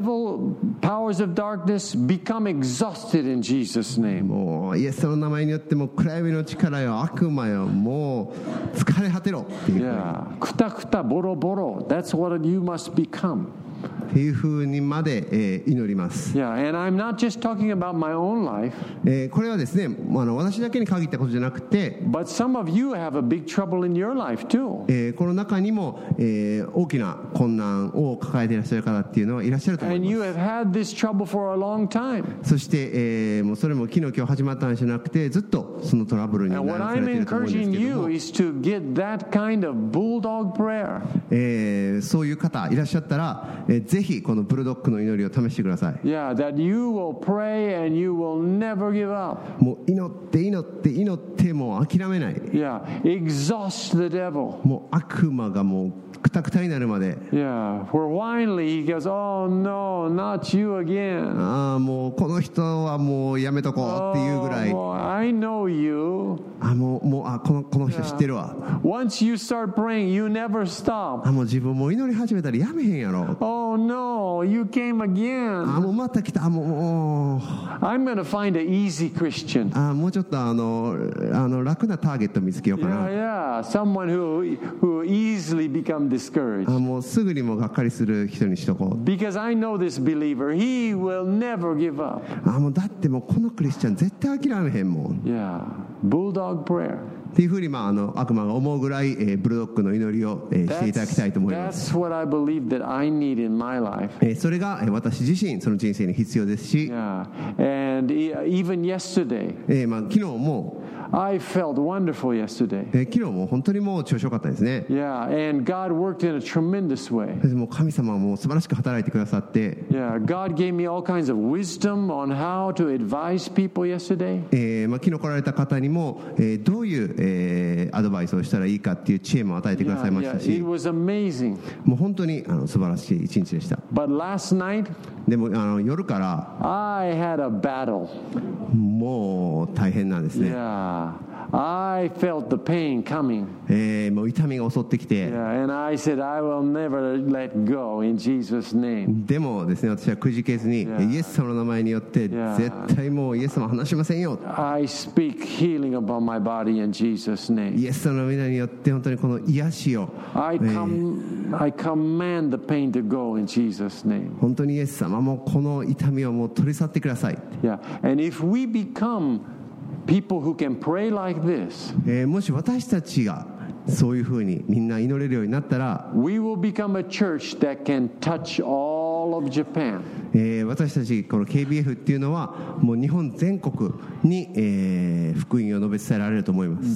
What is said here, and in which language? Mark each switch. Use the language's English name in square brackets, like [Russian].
[English] Yeah. Devil powers of darkness become exhausted in Jesus name [Japanese] もうイエスの名前によっても暗闇の力よ悪魔よもう疲れ果てろっていう、 [English] yeah. [Japanese] クタクタボロボロ [English] That's what you must become [Japanese] っていう風にまで、祈ります。 [English] Yeah, and I'm not just talking about my own life. [Japanese] これはですね、私だけに限ったことじゃなくて、 [English] But some of you have a big trouble in your life too. [Japanese] この中にも、大きな困難を抱えていらっしゃる方っていうのはいらっしゃると思います。 [English] And you have had this trouble for a long time. [Japanese] そして、もうそれも昨日今日始まった話じゃなくて、ずっとそのトラブルに悩まれていると思うんですけども。 [English] And what I'm encouraging you is to get that kind of bulldog prayer. [Japanese] そういう方いらっしゃったら、ぜひこのブルドックの祈りを試してください。 [English] Yeah, that you will pray and you will never give up. [Japanese] もう祈って祈って祈ってもう諦めない。 [English] Yeah, exhaust the devil. [Japanese] もう悪魔がもうクタクタになるまで。 [English] Yeah, where finally he goes, oh no, not you again. [Japanese] ああもうこの人はもうやめとこうっていうぐらい。 [English] Oh, I know you. [Japanese] ああもうこの人知ってるわ。 [English] Yeah. Once you start praying, you never stop. [Japanese] ああもう自分も祈り始めたらやめへんやろ。 [English] Oh no, you came again. [Japanese] ああもうまた来た。ああもう。 [English] I'm gonna find an easy Christian. [Japanese] ああもうちょっとあの楽なターゲット見つけようかな。 [English] Yeah, yeah. Someone who easily becomesDiscouraged. [Japanese] もうすぐにもがっかりする人にしとこう。 [English] Because I know this believer, he will never give up. [Japanese] もうだってもうこのクリスチャン絶対諦めへんもん。 [English] Yeah, bulldog prayer. [Japanese] っていうふうに悪魔が思うぐらい、ブルドックの祈りを、していただきたいと思います。 [English] That's what I believe that I need in my life. [Japanese] それが、私自身その人生に必要ですし。 [English] Yeah, and even yesterday. [Japanese] 昨日も。 [English] I felt wonderful yesterday. [Japanese] 昨日も本当にもう調子よかったですね。 [English] Yeah, and God worked in a tremendous way. [Japanese] もう神様も素晴らしく働いてくださって。 [English] Yeah, God gave me all kinds of wisdom on how to advise people yesterday. [Japanese] 昨日来られた方にも、どういう、アドバイスをしたらいいかっていう知恵も与えてくださいましたし。 [English] Yeah, yeah, it was amazing. [Japanese] もう本当に素晴らしい一日でした。 [English] But last night, [Japanese] でも夜から、 [English] I had a battle. [Japanese] もう大変なんですね。 [English] Yeah. I felt the pain coming. [Japanese] もう痛みが襲ってきて。 [English] Yeah, and I said, I will never let go in Jesus' name. [Japanese] でもですね、私はくじけずに、yeah. イエス様の名前によって、絶対もうイエス様離しませんよ。 [English] I speak healing upon my body in Jesus' name. [Japanese] イエス様の名前によって、本当にこの癒しを。 [English] I command the pain to go in Jesus' name. [Japanese] 本当にイエス様もこの痛みをもう取り去ってください。 [English] Yeah, and if we becomePeople who can pray like this, [Japanese] もし私たちがそういうふうにみんな祈れるようになったら [English] we will become a church that can touch all of Japan. [Japanese] 私たちこの KBF っていうのはもう日本全国に、福音を述べ伝えられると思います。